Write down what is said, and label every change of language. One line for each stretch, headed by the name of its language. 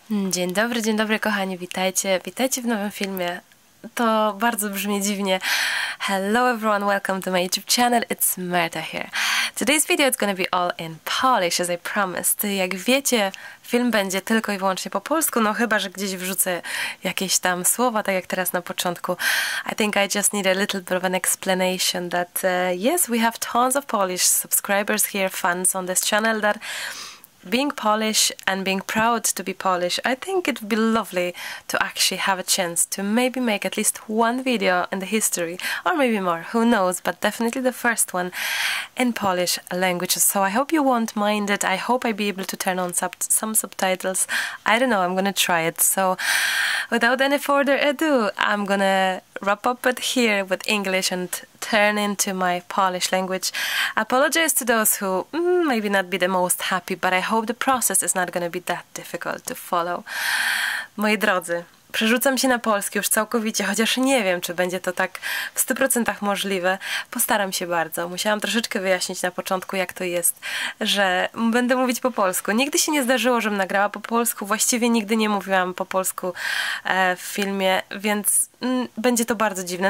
Polish: Dzień dobry, kochani, witajcie. Witajcie w nowym filmie. To bardzo brzmi dziwnie.
English: Hello everyone, welcome to my YouTube channel. It's Marta here. Today's video is gonna be all in Polish, as I promised. Jak wiecie, film będzie tylko i wyłącznie po polsku, no chyba, że gdzieś wrzucę jakieś tam słowa, tak jak teraz na początku. I think I just need a little bit of an explanation that yes, we have tons of Polish subscribers here, fans on this channel that... Being Polish and being proud to be Polish, I think it'd be lovely to actually have a chance to maybe make at least one video in the history, or maybe more, who knows, but definitely the first one in Polish languages. So I hope you won't mind it. I hope I'll be able to turn on some subtitles. I don't know, I'm gonna try it. So without any further ado, I'm gonna wrap up it here with English and turn into my Polish language. Apologize to those who maybe not be the most happy, but I hope the process is not going to be that difficult to follow.
Polish: Moi drodzy, przerzucam się na polski już całkowicie, chociaż nie wiem, czy będzie to tak w 100% możliwe. Postaram się bardzo. Musiałam troszeczkę wyjaśnić na początku, jak to jest, że będę mówić po polsku. Nigdy się nie zdarzyło, żebym nagrała po polsku. Właściwie nigdy nie mówiłam po polsku w filmie, więc... będzie to bardzo dziwne.